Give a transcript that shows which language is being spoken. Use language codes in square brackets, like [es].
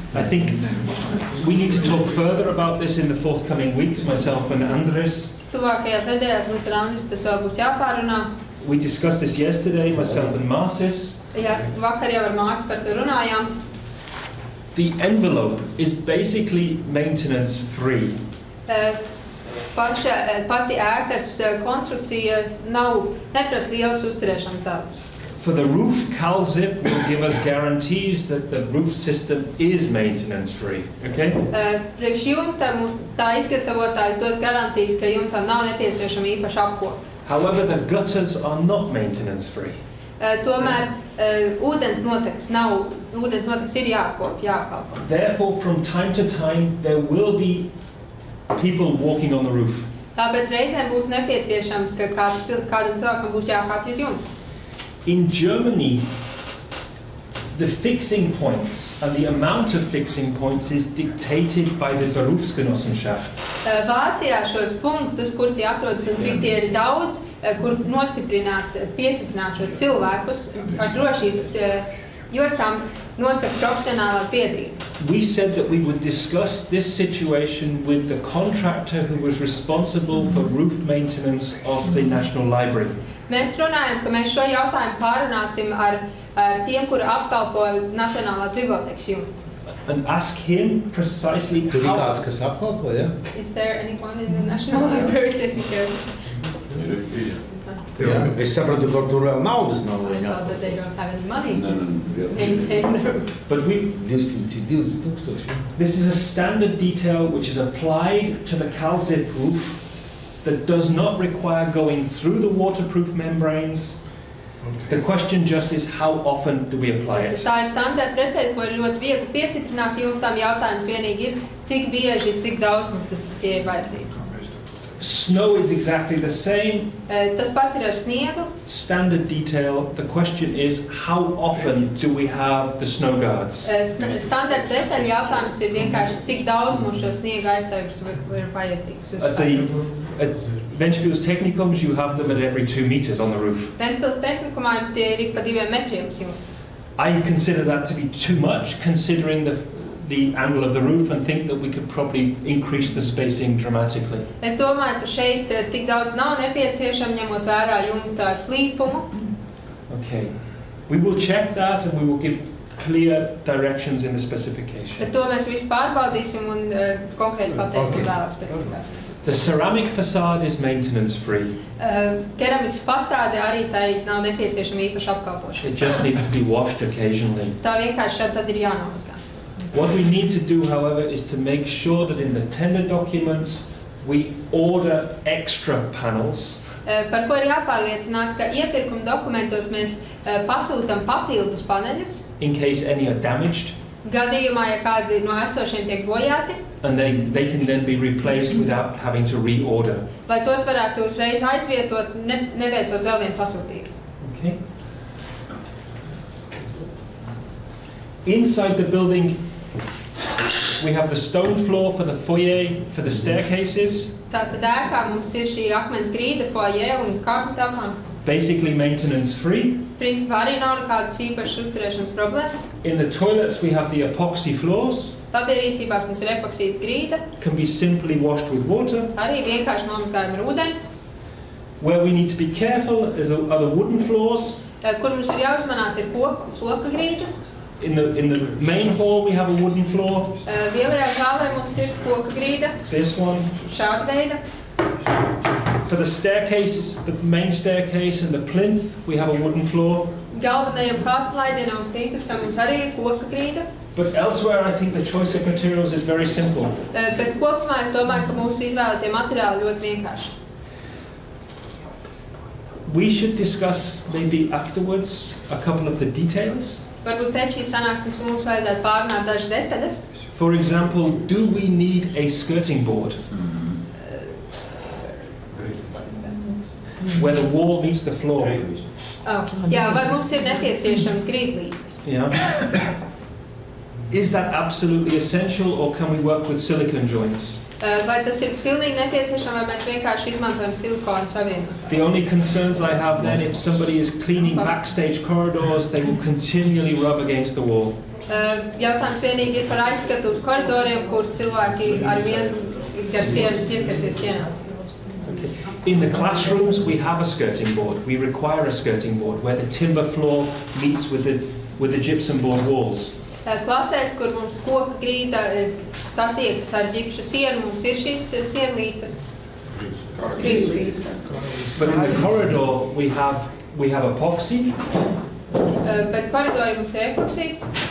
[en] I think we need to talk further about this in the forthcoming weeks, myself and Andres. [lv] Tuvākajās nedēļās mums ar Andres tas vēl būs jāpārunā. [en] We discussed this yesterday, myself and Marcis. [lv] Jā, vakar jau ar Mārcis par to runājām. [en] The envelope is basically maintenance free. [lv] Pati ēkas konstrukcija nav neprasa lielas uzturēšanas darbus. [en] For the roof, CalZip will give us guarantees that the roof system is maintenance free. Okay? [lv] Priekš jumta mums tā izgatavotājs dos garantijas, ka jumtam nav nepieciešama īpaša apkopa. [en] However, the gutters are not maintenance free. [lv] Tomēr ūdens noteks nav ūdens noteks ir jākop, jākalpo. [en] Therefore, from time to time there will be people walking on the roof. [lv] Tāpēc reizēm būs nepieciešams, ka kādam cilvēkam būs jākāp uz jumta. [en] In Germany, the fixing points and the amount of fixing points is dictated by the Berufsgenossenschaft. [lv] Vācijā šos punktus, kur tie atrodas un cik tie ir daudz, kur nostiprināt, piestiprināt šos cilvēkus ar drošības jostām nosaka profesionālā biedrības. [en] We said that we would discuss this situation with the contractor who was responsible for roof maintenance of the National Library. [lv] Mēs runājam, ka mēs šo jautājumu pārunāsim ar tiem, kuri apkalpo Nacionālās bibliotekas jumtu. [en] And ask him precisely how... [lv] Tur ir kāds, kas apkalpo, ja? [en] Is there anyone in the National Library that you care? Yeah. [lv] Es sapratu, ka tur vēl naudas nav viņa. [en] I thought that they don't have any money to maintain. But we... 200,000. This is a standard detail which is applied to the CalZip roof that does not require going through the waterproof membranes. Okay. The question just is how often do we apply it? [lv] Tā ir standarta pretēji, ko ir ļoti viegli piestiprināt jumtam, jautājums vienīgi ir, cik bieži, cik daudz mums tas tie ir vajadzīgi. [en] Snow is exactly the same. [lv] Tas pats ir ar sniegu. [en] Standard detail, the question is how often do we have the snow guards? [lv] Standarta pretēji jautājums ir vienkārši, cik daudz mums šo sniega aizsargs ir vajadzīgs. [en] At Ventspils technikums, you have them at every 2 meters on the roof. [lv] Ventspils technikumā jums tie ir pa 2 metriem. [en] I consider that to be too much, considering the angle of the roof, and think that we could probably increase the spacing dramatically. [lv] Es domāju, ka šeit tik daudz nav nepieciešam, ņemot vērā jumta slīpumu. [en] Okay. We will check that, and we will give clear directions in the specification. [lv] To mēs visu pārbaudīsim un konkrēti pateiksim vēlāk specifikāciju. [en] The ceramic facade is maintenance free. [lv] Keramikas fasāde arī tai nav nepieciešama īpaša apkalpošana. [en] It just needs to be washed occasionally. [lv] Tā vienkārši tad ir jānomazgā. [en] What we need to do, however, is to make sure that in the tender documents we order extra panels. [lv] Par ko ir jāpārliecinās, ka iepirkuma dokumentos mēs pasūtam papildus paneļus. [en] In case any are damaged. [lv] Gadījumā, ja kādi no esošiem tiek bojāti. [en] And they can then be replaced without having to reorder. [lv] Lai tos varētu uzreiz aizvietot, neveicot vēl vienu pasūtījumu. [en] Okay. Inside the building, we have the stone floor for the foyer, for the staircases. [lv] Tātad ēkā mums ir šī akmens grīda, foyer un kāpumtelpa. [en] Basically maintenance free. [lv] Principā arī nav nekādas īpašas uzturēšanas problēmas. [en] In the toilets we have the epoxy floors. [lv] Labierīcībās mums ir epoksīta grīda. [en] Can be simply washed with water. [lv] Arī vienkārši nomazgājam ar ūdeni. [en] Where we need to be careful is the wooden floors. [lv] Kur mums ir jāuzmanās ir koka grīdas. [en] In the main hall we have a wooden floor. [lv] Lielajā zālē mums ir koka grīda. [en] This one. [lv] Šāda veida. [en] For the staircase, the main staircase and the plinth, we have a wooden floor. [lv] Galvenajam kāpslaidienam un plintusam mums arī ir koka grīda. [en] But elsewhere I think the choice of materials is very simple. [lv] Bet kopumā es domāju, ka mūsu izvēlētie materiāli ļoti vienkārši. [en] We should discuss maybe afterwards a couple of the details. [lv] Varbūt pēc šī sanāksmes mums vajadzētu pārunāt dažas detaļas. [en] For example, do we need a skirting board? Where the wall meets the floor. Oh, yeah, [lv] vai mums ir nepieciešams grīdlīstes? [en] Yeah. Is that absolutely essential or can we work with silicon joints? [lv] Vai tas ir pilnīgi nepieciešams, vai mēs vienkārši izmantojam silikona savienojumu? [en] The only concerns I have then, if somebody is cleaning backstage corridors, they will continually rub against the wall. [lv] Jautājums vienīgi ir par aizskatu uz koridoriem, kur cilvēki ar vienu pieskarsies sienā. [en] In the classrooms we have a skirting board. We require a skirting board where the timber floor meets with the gypsum board walls. [lv] Klasēs, kur mums koka grīda satiekas ar gipša sienu, mums ir šīs sienlīstas. [en] But in the corridor we have epoxy. [lv] bet koridori mums ir iekopsīts.